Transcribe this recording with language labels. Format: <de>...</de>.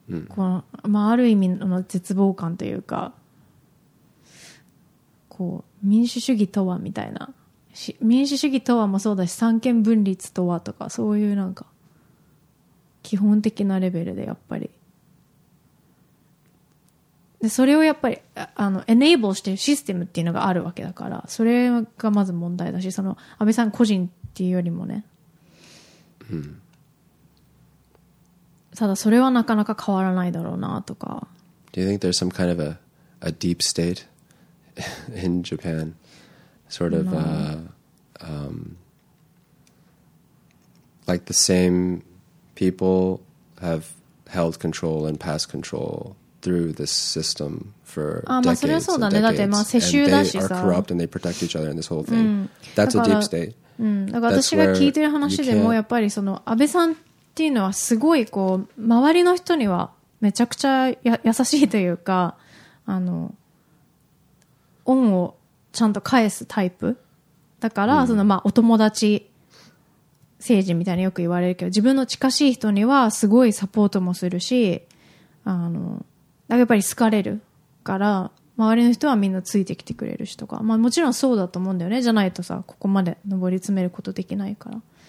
<ja>このまあ、ある意味の絶望感というか、こう民主主義とはみたいな、民主主義とはもそうだし三権分立とはとかそういうなんか基本的なレベルで、やっぱりでそれをやっぱりあのエネーブルしてるシステムっていうのがあるわけだから、それがまず問題だし、その安倍さん個人っていうよりもね、うん、ただそれはなかなか変わらないだろうなとか。</ja> <en>Do you think there's some kind of a deep state in Japan? Sort of like the same people have held control and past control through this system for decades and decades.</en> <ja>だってまあ世襲だしさ。</ja> <en>And they are corrupt and they protect each other in this whole thing. That's a deep state.</en> <ja>だから私が聞いてる話でもやっぱりその安倍さんっていうのはすごいこう周りの人にはめちゃくちゃ優しいというか、あの恩をちゃんと返すタイプだから、そのまあお友達政治みたいによく言われるけど、自分の近しい人にはすごいサポートもするし、あのやっぱり好かれるから周りの人はみんなついてきてくれるしとか、まあもちろんそうだと思うんだよね。じゃないとさ、ここまで上り詰めることできないから。</ja>